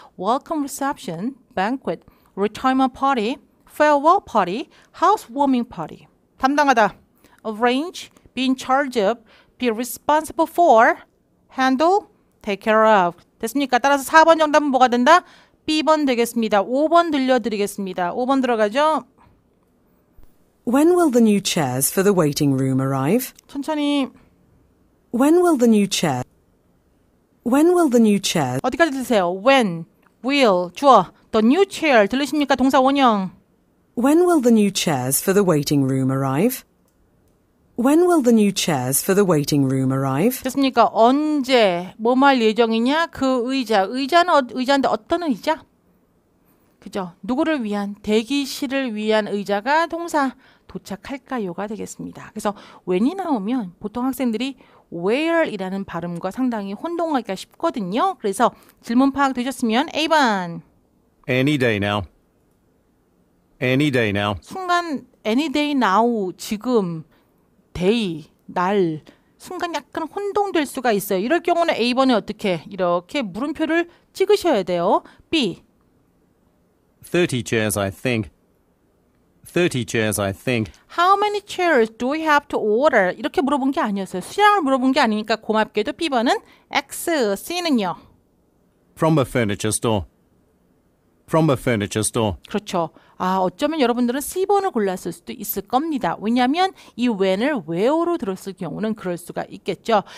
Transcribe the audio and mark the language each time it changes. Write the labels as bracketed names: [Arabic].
[English] Welcome reception, banquet, retirement party, farewell party, housewarming party. [Korean] 담당하다. [English] Arrange, be in charge of, be responsible for, handle, take care of. [Korean] 됐습니까? 따라서 4번 정답은 뭐가 된다? B번 되겠습니다. 5번 들려드리겠습니다. 5번 들어가죠. [English] When will the new chairs for the waiting room arrive? [Korean] 천천히. [English] When will the new chair? When will the new chair? [Korean] 어디까지 들으세요? [English] When, will, [Korean] 주어, [English] the new chair. [Korean] 들리십니까? 동사 원형. [English] When will the new chairs for the waiting room arrive? When will the new chairs for the waiting room arrive? [Korean] 됐습니까? 언제, 뭐 말 예정이냐? 그 의자, 의자는 의자인데 어떤 의자? 그죠? 누구를 위한, 대기실을 위한 의자가 동사 도착할까요가 되겠습니다. 그래서 when이 나오면 보통 학생들이 where이라는 발음과 상당히 혼동하기가 쉽거든요. 그래서 질문 파악되셨으면 A번 [English] Any day now. Any day now. [Korean] 순간 [English] any day now, [Korean] 지금, day, 날, 순간 약간 혼동될 수가 있어요. 이럴 경우는 A번에 어떻게? 이렇게 물음표를 찍으셔야 돼요. [English] B. 30 chairs, I think. 30 chairs, I think. How many chairs do we have to order? [Korean] 이렇게 물어본 게 아니었어요. 수량을 물어본 게 아니니까 고맙게도 B번은 X, C는요? [English] From a furniture store. From a furniture store. [Korean] 그렇죠. 아, 어쩌면 여러분들은 C번을 골랐을 수도 있을 겁니다. 왜냐하면 이 when을 where로 들었을 경우는 그럴 수가 있겠죠.